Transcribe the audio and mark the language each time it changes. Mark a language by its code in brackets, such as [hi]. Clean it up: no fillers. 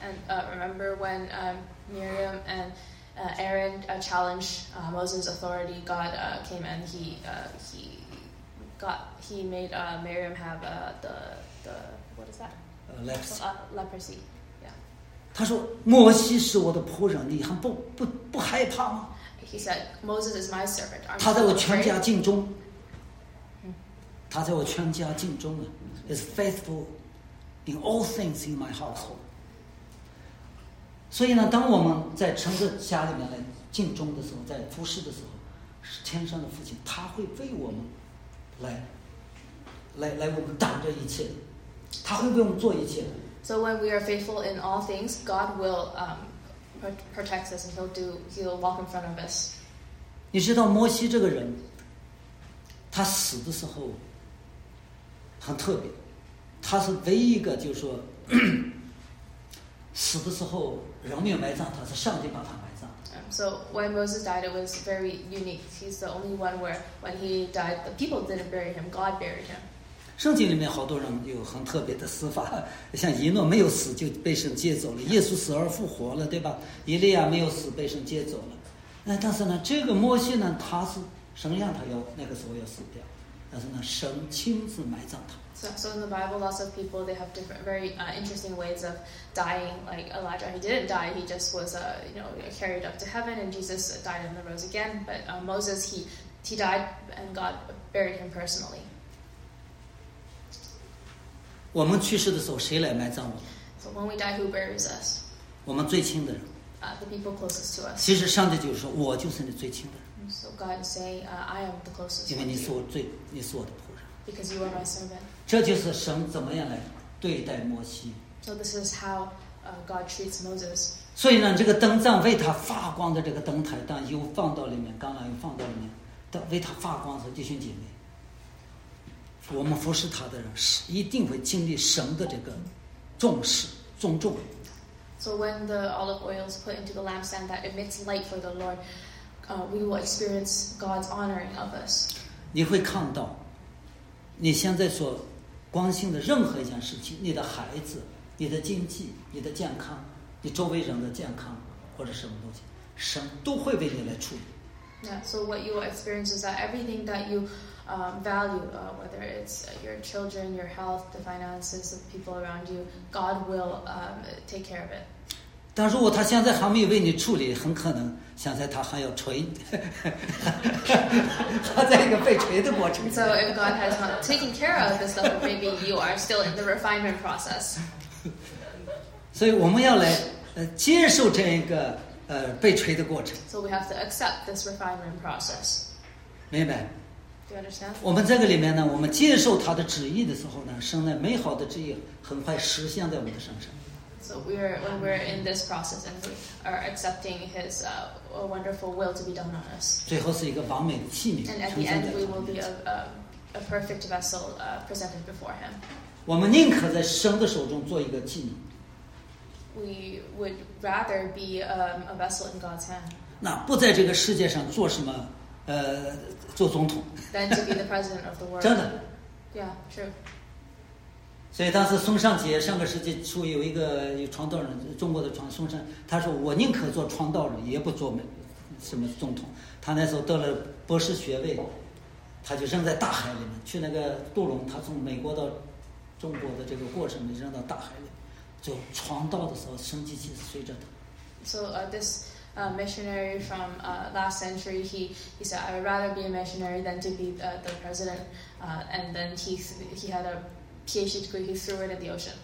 [en] Remember when Miriam and Aaron challenged Moses' authority, God came and he made Miriam have leprosy. Yeah. [zh] 他说摩西是我的仆人，你还不害怕吗？ [en] He said, Moses is my servant. [zh] 他在我全家敬忠。他在我全家敬忠啊。 [en] Is faithful in all things in my household. [zh] 所以呢，当我们在神的家里面来敬忠的时候，在服侍的时候，是天上的父亲，他会为我们来我们挡着一切，他会为我们做一切。 [en] So when we are faithful in all things, God will protect us and he'll walk in front of us. [zh] 你知道摩西这个人，他死的时候很特别，他是唯一一个，就是说死的时候人没有埋葬，他是上帝把他埋葬。 [en] So when Moses died, it was very unique. He's the only one where when he died, the people didn't bury him. God buried him. [zh] 圣经里面好多人有很特别的死法，像以诺没有死就被神接走了，耶稣死而复活了，对吧？以利亚没有死被神接走了。但是呢，这个摩西呢，他是神让他要那个时候要死掉。但是呢，神亲自埋葬他。 [en] So in the Bible, lots of people they have different, very interesting ways of dying. Like Elijah, he didn't die; he just was, carried up to heaven, and Jesus died and rose again. But Moses, he died, and God buried him personally. [zh] 我们去世的时候，谁来埋葬我们？ [en] So when we die, who buries us? [zh] 我们最亲的人。 [en] The people closest to us. [zh] 其实上帝就是说，我就是你最亲的人。 [en] So God is saying, I am the closest. [zh] 因为你是我最，你是我的仆人。 [en] Because you are my servant. [zh] 这就是神怎么样来对待摩西。 [en] So this is how God treats Moses. [zh] 所以呢，这个灯帐为他发光的这个灯台，当油放到里面，橄榄油放到里面，为他发光的时候，弟兄姐妹，我们服侍他的人是一定会经历神的这个重视、尊重。 [en] So when the olive oil is put into the lampstand that emits light for the Lord. We will experience God's honoring of us. [zh] 你会看到，你现在所关心的任何一件事情，你的孩子、你的经济、你的健康、你周围人的健康或者什么东西，神都会为你来处理。 [en] Yeah. So what you will experience is that everything that you value, whether it's your children, your health, the finances of people around you, God will take care of it. [zh] 但如果他现在还没有为你处理，很可能现在他还要锤，他在一个被锤的过程。 [en] So if God has not taken care of this stuff, maybe you are still in the refinement process. [zh] 所以我们要来接受这一个被锤的过程。 [en] So we have to accept this refinement process. [zh] 明白？ [en] Do you understand? [zh] 我们这个里面呢，我们接受他的旨意的时候呢，神的美好的旨意很快实现在我们的身上。 [en] So when we're in this process and we are accepting His wonderful will to be done on us. [zh] 最后是一个完美的器皿。 [en] And at the end, we will be a perfect vessel presented before Him. [zh] 我们宁可在神的手中做一个器皿。 [en] We would rather be a vessel in God's hand. [zh] 那不在这个世界上做什么，做总统。 [en] Than to be the president of the world. [zh] 真的。 [en] Yeah, true. [zh] 所以当时孙尚杰上个世纪初有传道人，中国的传孙尚，他说我宁可做传道人，也不做什么总统。他那时候得了博士学位，他就扔在大海里面，去那个杜龙，他从美国到中国的这个过程里扔到大海里，就传道的时候，生机就随着他。 [en] So this missionary from last century, he said, I would rather be a missionary than to be the president. And then he had a PhD degree, he threw it in the ocean.